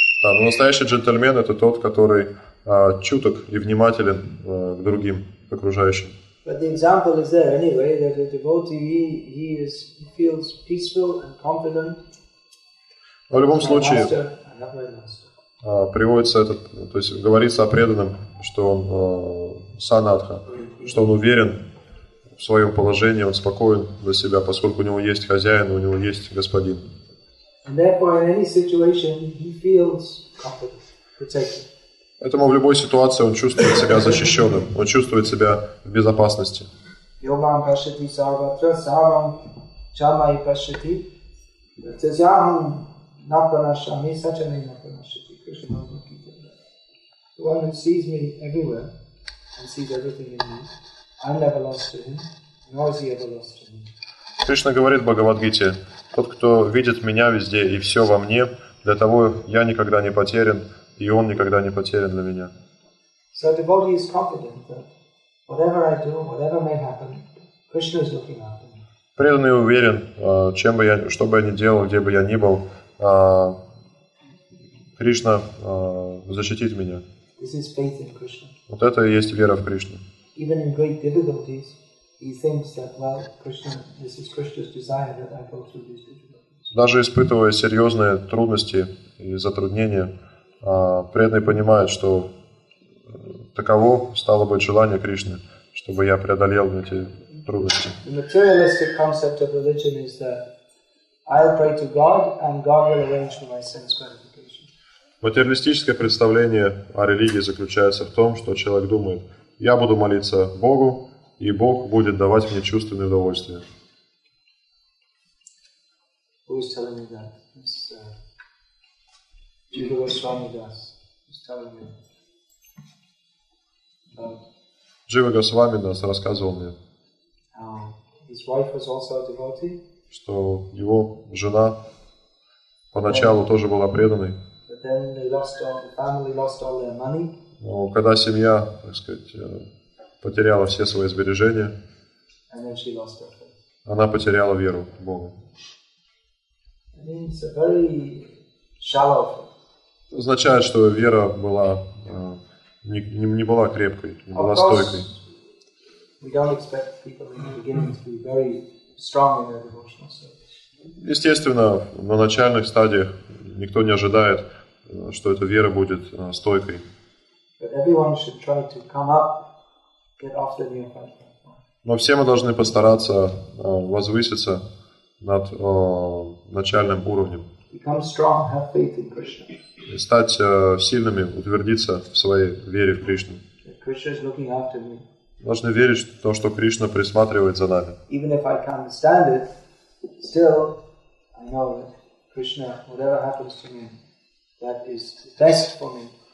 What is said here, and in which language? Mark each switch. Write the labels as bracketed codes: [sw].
[ru] Но настоящий джентльмен – это тот, который чуток и внимателен к другим, к окружающим. [en] But the example is there anyway, that a devotee, he feels peaceful and confident. [ru] В любом случае, приводится этот, то есть говорится о преданном, что он санатха, что он уверен в своем положении, он спокоен за себя, поскольку у него есть хозяин, у него есть господин. [en] And therefore, in any situation, he feels confident, protected. [ru] Поэтому в любой ситуации он чувствует себя защищенным, он чувствует себя в безопасности. [sa] Йомам пашати сарватра сарам чамай пашати тазяхам [en] Napanasha, he is such a name, Napanasha, Krishna Bhakti. The one who sees me everywhere and sees everything in me, I never lost to him, nor is he ever lost to me. [ru] Кришна говорит в Бхагавадгите, тот, кто видит меня везде и все во мне, для того я никогда не потерян, и он никогда не потерян для меня. [en] So the body is confident that whatever I do, whatever may happen, Krishna is looking after me. [ru] Преданный уверен, чем бы я, что бы я ни делал, где бы я ни был, Кришна защитит меня. [en] This is faith in Krishna. [ru] Вот это и есть вера в Кришну. [en] Even in great difficulties, he thinks that, well, Krishna, this is Krishna's desire that I go through these difficulties. [ru] Даже испытывая серьезные трудности и затруднения, преданный понимает, что таково стало бы желание Кришны, чтобы я преодолел эти трудности. [en] The materialistic concept of religion is that I'll pray to God and God will arrange for my sense gratification. [ru] Материалистическое представление о религии заключается в том, что человек думает, я буду молиться Богу, и Бог будет давать мне чувственное удовольствие. [en] Who is telling me that? It's Jiva Goswami Das. He's telling me. [ru] Jiva Goswami Das рассказывал мне. [en] His wife was also a devotee. [ru] Что его жена поначалу тоже была преданной. [en] But then they lost all, the family lost all their money. [ru] Но когда семья, так сказать, потеряла все свои сбережения, [en] and then she lost her faith. [ru] Она потеряла веру в Бога. [en] I mean, it's a very shallow faith. [ru] Означает, что вера была не была крепкой, не была стойкой. [en] We don't expect people in the beginning to be very strong in their devotional service. [ru] Естественно, на начальных стадиях никто не ожидает, что эта вера будет стойкой. [en] But everyone should try to come up, get off the new path. [ru] Но все мы должны постараться возвыситься над начальным уровнем. [en] Become strong, have faith in Krishna. [ru] И стать сильными, утвердиться в своей вере в Кришну. [en] That Krishna is looking after me. [ru] Должны верить в то, что Кришна присматривает за нами. [en] Even if I can't understand it, still I know that Krishna, whatever happens to me, that is best for me.